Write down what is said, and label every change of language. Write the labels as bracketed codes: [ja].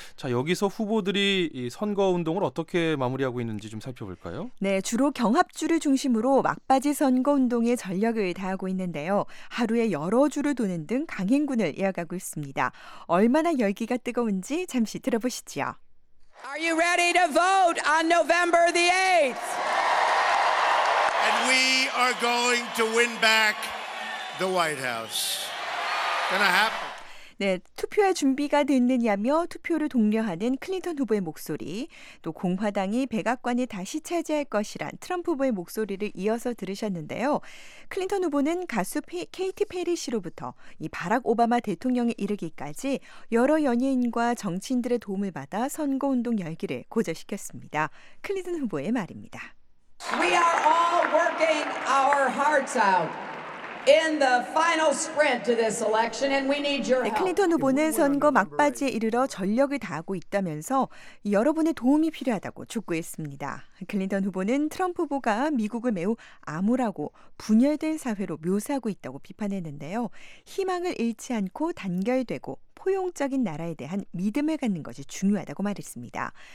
[ko] 자, 여기서 후보들이 이 선거 운동을 어떻게 마무리하고 있는지 좀 살펴볼까요? 네, 주로 경합주를 중심으로 막바지 선거 운동에 전력을 다하고 있는데요. 하루에 여러 주를 도는 등 강행군을 이어가고 있습니다. 얼마나 열기가 뜨거운지 잠시 들어보시죠. [en] Are you ready to vote on November the 8th? And we are going to win back the White House. Gonna happen. [ko] 네, 투표할 준비가 됐느냐며 투표를 독려하는 클린턴 후보의 목소리, 또 공화당이 백악관을 다시 차지할 것이란 트럼프 후보의 목소리를 이어서 들으셨는데요. 클린턴 후보는 가수 케이티 페리 씨로부터 이 바락 오바마 대통령에 이르기까지 여러 연예인과 정치인들의 도움을 받아 선거운동 열기를 고조시켰습니다. 클린턴 후보의 말입니다. [en] We are all working our hearts out in the final sprint to this election, and we need your help. [ko] 클린턴 후보는 선거 막바지에 이르러 전력을 다하고 있다면서 여러분의 도움이 필요하다고 촉구했습니다. 클린턴 후보는 트럼프 후보가 미국을 매우 암울하고 분열된 사회로 묘사하고 있다고 비판했는데요. 희망을 잃지 않고 단결되고 포용적인 나라에 대한 믿음을 갖는 것이 중요하다고 말했습니다.